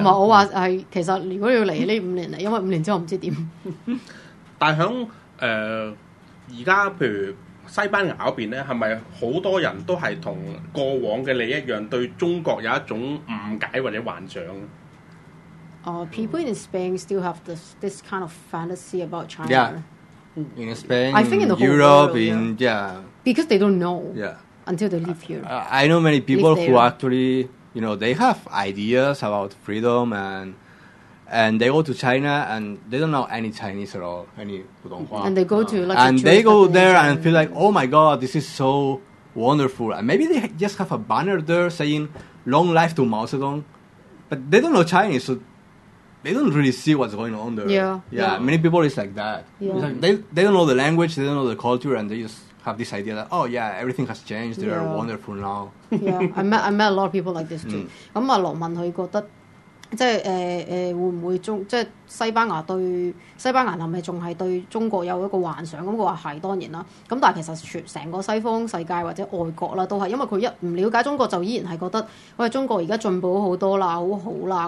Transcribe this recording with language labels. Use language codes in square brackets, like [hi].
[yue] 同埋我话系，其实如果要嚟呢五年嚟，因为五年之后唔知点。但响而家譬如。西班牙那邊咧，係咪好多人都係同過往嘅你一樣，對中國有一種誤解或者幻想？ [en] People in Spain still have this kind of fantasy about China. Yeah, in Spain, I think in the whole Europe, world, because they don't know. Yeah, until they live here. I know many people who actually, you know, they have ideas about freedom and they go to China and they don't know any Chinese at all, any 普通話. And they go to like and they go there and feel like, oh my god, this is so wonderful. And maybe they just have a banner there saying long life to Mao Zedong. But they don't know Chinese, so they don't really see what's going on there. Yeah. Many people is like that. Yeah. It's like they don't know the language, they don't know the culture, and they just have this idea that, oh yeah, everything has changed, they are wonderful now. Yeah, I met a lot of people like this too. [yue] 咁啊，羅文佢覺得即係會唔會中即係西班牙係咪仲係對中國有一個幻想？咁佢話係當然啦。咁但係其實成個西方世界或者外國啦，都係因為佢一唔了解中國，就依然係覺得喂中國而家進步好多啦，好好啦。